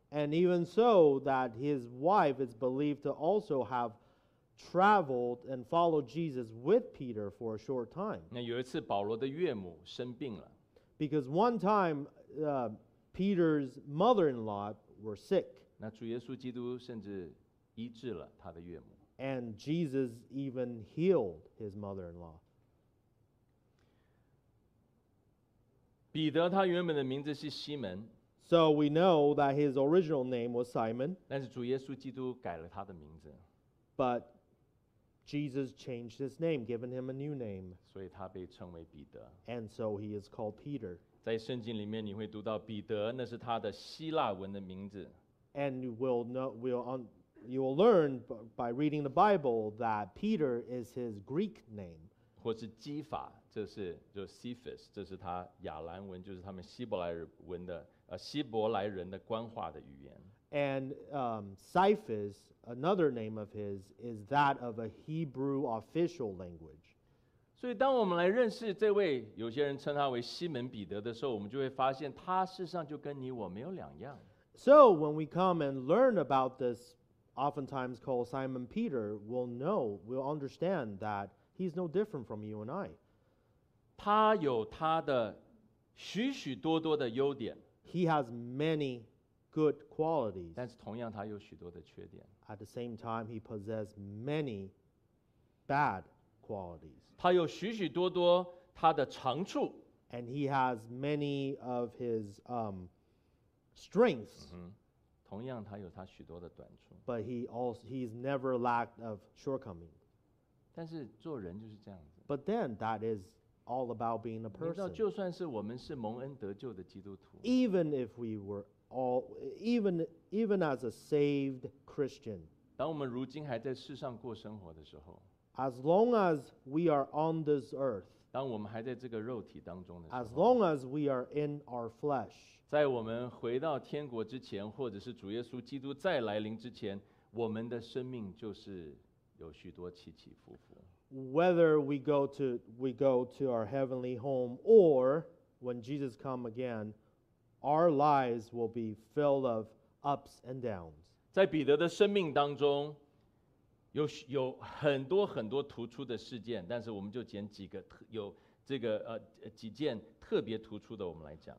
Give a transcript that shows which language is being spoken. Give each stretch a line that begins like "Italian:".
English: And even so, that his wife is believed to also have traveled and followed Jesus with Peter for a short time.
Chinese: 那有一次保罗的岳母生病了。
English: Because one time, Peter's mother-in-law were sick.
Chinese: 那主耶稣基督甚至医治了他的岳母。
English: And Jesus even healed his mother-in-law.
Chinese: 彼得他原本的名字是西门。
English: So we know that his original name was Simon.
Chinese: 但是主耶稣基督改了他的名字。
English: But Jesus changed his name, given him a new name.
Chinese: 所以他被称为彼得。
English: And so he is called Peter.
Chinese: 在圣经里面你会读到彼得，那是他的希腊文的名字。
English: And you will learn by reading the Bible that Peter is his Greek name.
Chinese: 或是基法，这是就是 Cephas， 这是他亚兰文，就是他们希伯来文的希伯来人的官话的语言。
English: And Cephas, another name of his, is that of a Hebrew official language.
Chinese: 所以当我们来认识这位，有些人称他为西门彼得的时候，我们就会发现他事实上就跟你我没有两样。
English: So when we come and learn about this, oftentimes called Simon Peter, we'll understand that he's no different from you and I.
Chinese: 他有他的许许多多的优点。
English: He has many good qualities.
Chinese: 但是同样他有许多的缺点。
English: At the same time, he possesses many bad qualities.
Chinese: 他有许许多多他的长处。
English: And he has many of his strengths.
Chinese: 同样他有他许多的短处。
English: But he's never lacked of shortcomings.
Chinese: 但是做人就是这样子。
English: But then that is all about being a person.
Chinese: 你知道就算是我们是蒙恩得救的基督徒。
English: Even if we were even as a saved Christian.
Chinese: 当我们如今还在世上过生活的时候。
English: As long as we are on this earth,
Chinese: 当我们还在这个肉体当中的时候,
English: as long as we are in our flesh,
Chinese: 在我们回到天国之前, 或者是主耶稣基督再来临之前, 我们的生命就是有许多起起伏伏。
English: Whether we go to our heavenly home or when Jesus comes again, our lives will be filled of ups and downs.
Chinese: 在彼得的生命当中有很多很多突出的事件，但是我们就捡几个有这个几件特别突出的，我们来讲。